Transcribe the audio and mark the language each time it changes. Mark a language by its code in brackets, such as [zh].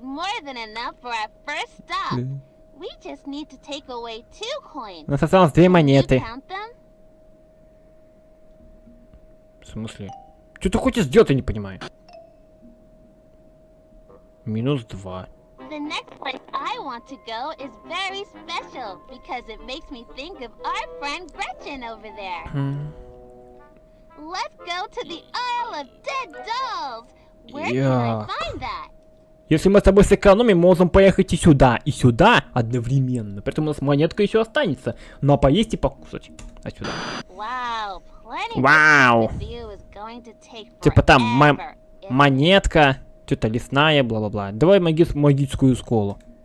[ru] У нас осталось две монеты. В смысле? Что ты хочешь сделать, я не понимаю. Минус два. [en] The next place I want to go is very special because it makes me think of our friend Gretchen over there. Let's go to the Isle of Dead Dolls. Where can I find that? [ru] Если мы с тобой сэкономим, мы можем поехать и сюда одновременно. При этом у нас монетка еще останется. Ну а поесть и покусать. А сюда. [en] Wow, plenty of wow. [ru] Типа там монетка. Что-то лесная, бла-бла-бла. Давай магическую школу.